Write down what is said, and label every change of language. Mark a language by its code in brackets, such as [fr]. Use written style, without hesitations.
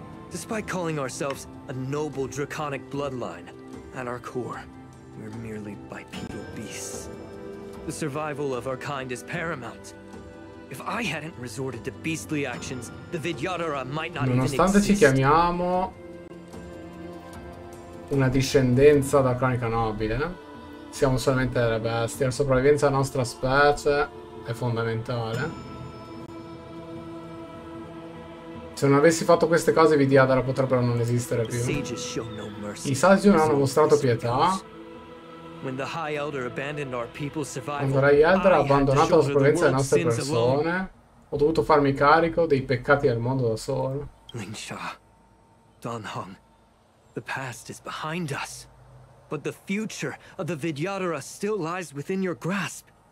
[en] Despite calling ourselves a noble draconic bloodline, at our core, we're merely bipedal beasts. The survival of our kind is paramount. If I hadn't resorted to beastly actions, the Vidyadara might not [it] nonostante [en] even [it] ci chiamiamo una discendenza da cronica nobile, siamo solamente delle bestie. La sopravvivenza della nostra specie è fondamentale. Se non avessi fatto queste cose, i Vidyadara potrebbero non esistere più. I saggi non hanno mostrato pietà. Quando Rai Elder ha abbandonato la sopravvivenza delle nostre persone, ho dovuto farmi carico dei peccati del mondo da solo. [en] Lingxia, Don Hong, the past is behind us, but the future of the Vidyadara still lies within your grasp.